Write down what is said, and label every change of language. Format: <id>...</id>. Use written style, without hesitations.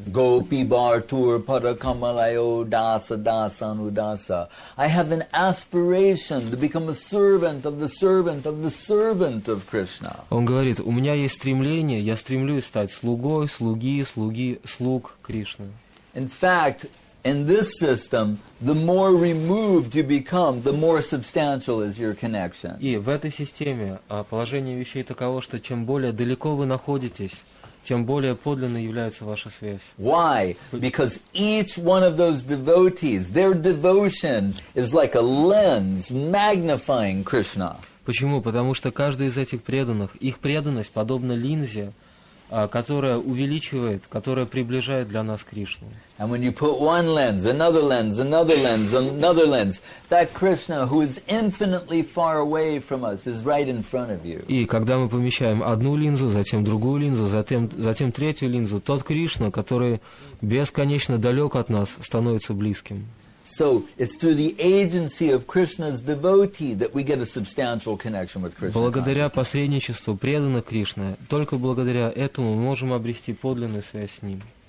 <sa>Gopi bartur parakamalayo dasa dasanudasa.</sa> <en>I have an aspiration to become a servant of the servant of the servant of Krishna.</en> <ru>Он говорит, у меня есть стремление, я стремлюсь стать слугой, слуги, слуги, слуг Кришны.</ru> <en>In fact, in this system, the more removed you become, the more substantial is your connection.</en> <ru>И в этой системе положение вещей таково, что чем более далеко вы находитесь, тем более подлинной является ваша связь.</ru> <en>Why? Because each one of those devotees, their devotion is like a lens magnifying Krishna.</en> <ru>Почему? Потому что каждый из этих преданных, их преданность подобна линзе, которая увеличивает, которая приближает для нас Кришну.</ru> <en>And when you put one lens, another lens, another lens, another lens, that Krishna, who is infinitely far away from us, is right in front of you.</en> <ru>И когда мы помещаем одну линзу, затем другую линзу, затем третью линзу, тот Кришна, который бесконечно далек от нас, становится близким.</ru> <en>So it's through the agency of Krishna's devotee that we get a substantial connection with Krishna.</en> <ru>Благодаря посредничеству преданных Кришны, только благодаря этому мы можем обрести подлинную связь с ним.</ru>